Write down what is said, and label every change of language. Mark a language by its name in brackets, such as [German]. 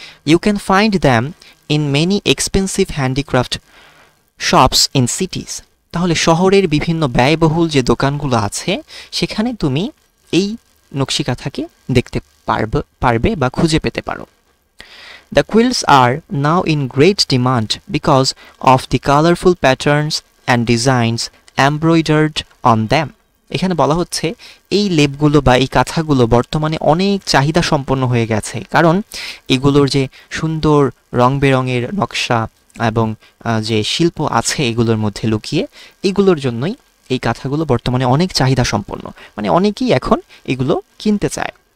[English] You can find them in many expensive handicraft shops in cities. [Bangla] তাহলে শহরের বিভিন্ন ব্যয়বহুল যে দোকানগুলো আছে সেখানে তুমি এই নকশি কাঁথাকে দেখতে পারবে বা খুঁজে পেতে পারো। [English] The quilts are now in great demand because of the colorful patterns and designs embroidered on them. [Bangla] এখানে বলা হচ্ছে এই লেপগুলো বা এই কাঁথাগুলো বর্তমানে অনেক চাহিদা সম্পন্ন হয়ে গেছে, কারণ এগুলোর যে সুন্দর রং বেরঙের নকশা এবং যে শিল্প আছে এগুলোর মধ্যে লুকিয়ে, এগুলোর জন্যই এই কাঁথাগুলো বর্তমানে অনেক চাহিদা সম্পন্ন, মানে অনেকেই এখন এগুলো কিনতে চায়।